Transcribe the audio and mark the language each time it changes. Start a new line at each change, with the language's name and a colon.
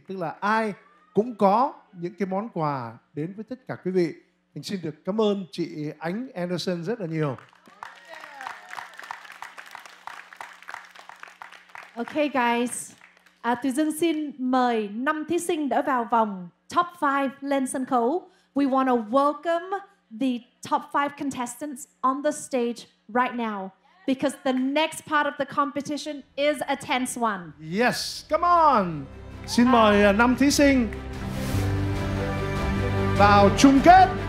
Vietnamese: Tức là ai cũng có những cái món quà đến với tất cả quý vị. Mình xin được cảm ơn chị Ánh Anderson rất là nhiều.
English: Okay, guys.
Vietnamese: Tùy Dương xin mời 5 thí sinh đã vào vòng top 5 lên sân khấu.
English: We want to welcome the top 5 contestants on the stage right now, because the next part of the competition is a tense one. Yes, come on.
Vietnamese: Xin mời 5 thí sinh vào chung kết.